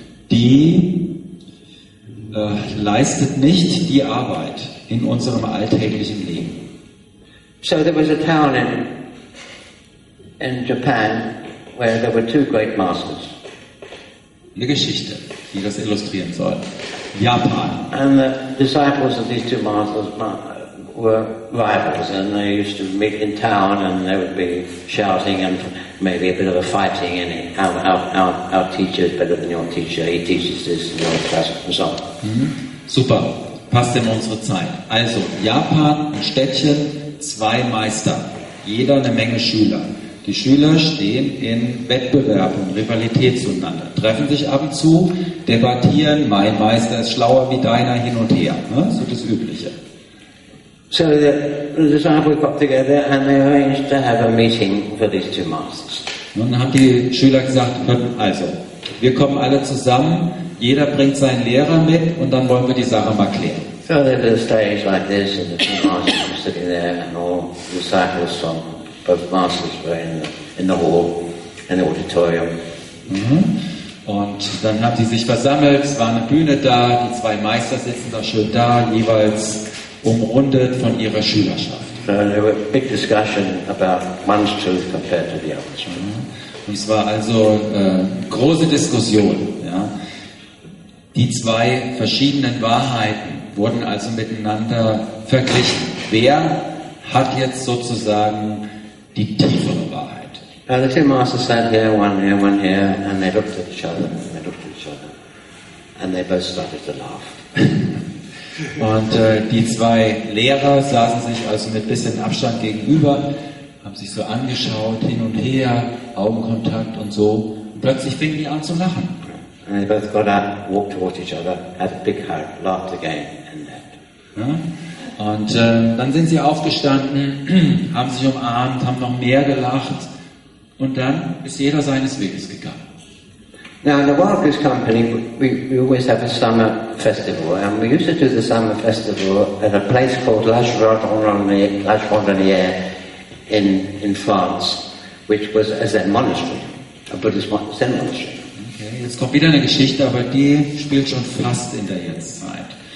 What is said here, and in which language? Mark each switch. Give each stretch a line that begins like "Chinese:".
German: Die leistet nicht die Arbeit in unserem alltäglichen Leben.
English: So there was a town in Japan where there were 2 great masters.
German: Eine Geschichte, die das illustrieren soll. Japan.
English: And the disciples of these 2 masters were rivals, and they used to meet in town, and there would be shouting and maybe a bit of a fighting in it. Our teacher is better than your teacher. He teaches this and your class and so on.
German: Mm-hmm. Super. Passt in unsere Zeit. Also Japan, ein Städtchen, 2 Meister, jeder eine Menge Schüler. Die Schüler stehen in Wettbewerb und Rivalität zueinander. Treffen sich ab und zu, debattieren. Mein Meister ist schlauer wie deiner, hin und her. Ne? So das Übliche.
English: So the disciples got together and they arranged to have a meeting for these 2 masters.
German: Nun haben die Schüler gesagt, also, wir kommen alle zusammen, jeder bringt seinen Lehrer mit und dann wollen wir die Sache mal klären.
English: So there was a stage like this, and the two masters were sitting there, and all the disciples from both masters were in the hall, in the auditorium. Mm-hmm.
German: Und dann haben sie sich versammelt, es war eine Bühne da, die zwei Meister sitzen da schön da, jeweils umrundet von ihrer Schülerschaft.
English: There was a big discussion about one's truth compared to the other's.
German: Und es war also große Diskussion. Ja. Die zwei verschiedenen Wahrheiten wurden also miteinander verglichen. Wer hat jetzt sozusagen die tiefere Wahrheit?
English: The two masters sat here, one here, and they looked at each other, and they looked at each other, and they both started to laugh.
German: Und die zwei Lehrer saßen sich also mit bisschen Abstand gegenüber, haben sich so angeschaut, hin und her, Augenkontakt und so. Und plötzlich fingen die an zu lachen.
English: And they both got up, walked towards each other, had a big hug, laughed again, and left.
German: Ja? Und dann sind sie aufgestanden, haben sich umarmt, haben noch mehr gelacht, und dann ist jeder seines Weges gegangen.
English: Now in the Wild Goose Company, we always have a summer festival, and we used to do the summer festival at a place called La Chardonnière in France, which was a Zen monastery, a Buddhist Zen monastery.
German: Okay, jetzt kommt wieder eine Geschichte, aber die spielt schon fast in der Jetztzeit.